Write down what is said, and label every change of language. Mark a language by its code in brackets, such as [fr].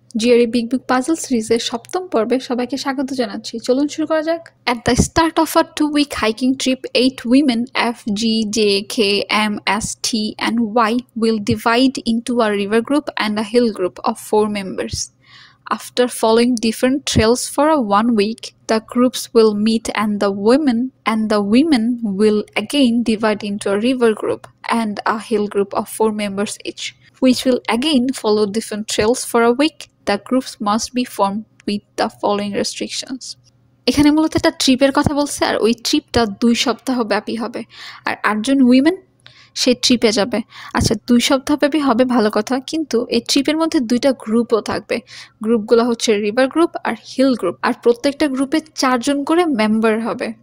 [bn] জিওরি big big puzzle সিরিজের সপ্তম পর্বে সবাইকে স্বাগত জানাচ্ছি। চলুন শুরু করা যাক। [en] At the start of a 2 week hiking trip, 8 women FGJKMSTNY will divide into a river group and a hill group of 4 members। After following different trails for a 1 week, the groups will meet and the women will again divide into a river group and a hill group of 4 members each, which will again follow different trails for a week. The groups must be formed with the following restrictions. [bn] এখানে মূলত একটা ট্রিপের কথা বলছে, আর ওই ট্রিপটা 2 সপ্তাহ ব্যাপী হবে, আর 8 জন উইমেন সেই ট্রিপে যাবে। আচ্ছা, 2 সপ্তাহব্যাপী হবে, ভালো কথা, কিন্তু এই ট্রিপের মধ্যে 2টা গ্রুপও থাকবে। গ্রুপগুলো হচ্ছে রিভার গ্রুপ আর হিল গ্রুপ, আর প্রত্যেকটা গ্রুপে 4 জন করে মেম্বার হবে।